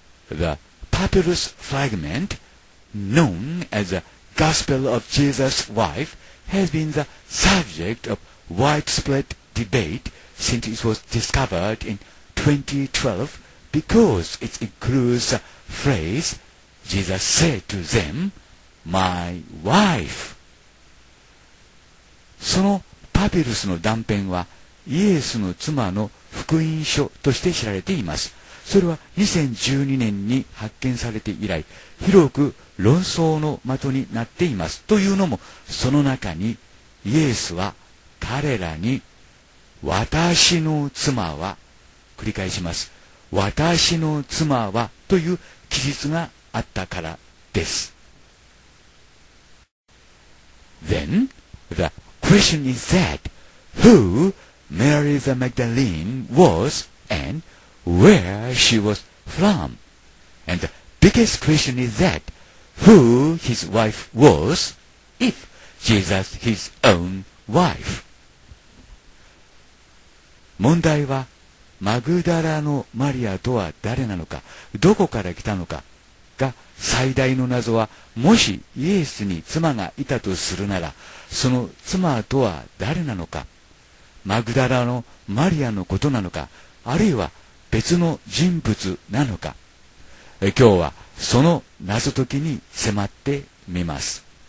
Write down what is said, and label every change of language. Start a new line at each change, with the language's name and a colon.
English: The papyrus fragment known as the Gospel of Jesus' wife has been the subject of widespread debate since it was discovered in 2012 because it includes the phrase,Jesus said to them, My wife.
Japanese: そのパピルスの断片はイエスの妻の福音書として知られています。それは2012年に発見されて以来、広く論争の的になっています。というのも、その中にイエスは彼らに、私の妻は、繰り返します、私の妻はという記述があったからです。
English: Then, the question is that, who Mary the Magdalene was and where she was from? And the biggest question is that, who his wife was, if Jesus his own wife?
Japanese: 問題は、マグダラのマリアとは誰なのか、どこから来たのか、最大の謎は、もしイエスに妻がいたとするなら、その妻とは誰なのか、マグダラのマリアのことなのか、あるいは別の人物なのか、今日はその謎解きに迫ってみます。